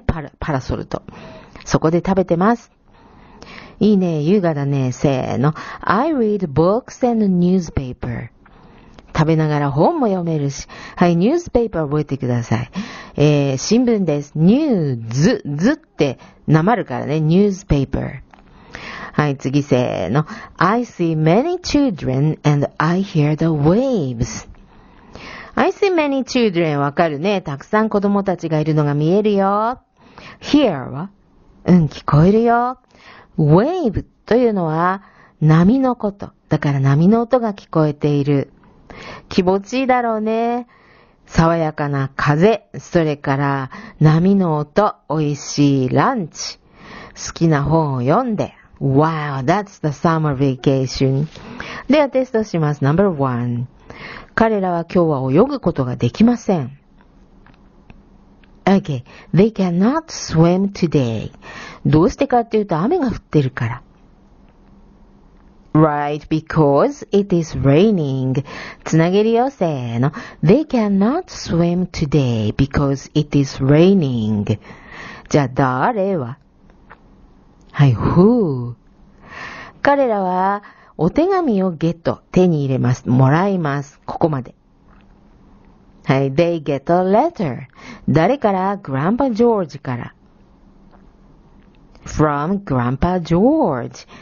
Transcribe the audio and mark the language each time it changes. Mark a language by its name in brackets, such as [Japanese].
[Japanese] パラソルと。そこで食べてます。いいね、優雅だね。せーの。 [English] I read books and newspaper. [Japanese] 食べながら本も読めるし。はい、ニュースペーパー覚えてください。新聞です。ニュー、ズ、ズってなまるからね。ニュースペーパー。はい、次せーの。 [English] I see many children and I hear the waves. I see many children [Japanese] わかるね。たくさん子供たちがいるのが見えるよ。 hear は？うん、聞こえるよ。wave というのは波のこと。だから波の音が聞こえている。気持ちいいだろうね。爽やかな風、それから波の音、美味しいランチ、好きな本を読んで。 [English] Wow, that's the summer vacation. [Japanese] ではテストします。 [English] Number one. [Japanese] 彼らは今日は泳ぐことができません。 [English] Okay, they cannot swim today. [Japanese] どうしてかっていうと雨が降ってるから。 [English] Right, because it is raining. [Japanese] つなげるよ、せーの。 [English] They cannot swim today because it is raining. [Japanese] じゃあ、誰は？はい、who? 彼らはお手紙をゲット、手に入れます。もらいます。ここまで。はい、 [English] they get a letter. [Japanese] 誰から？ [English] Grandpa George から。From Grandpa George.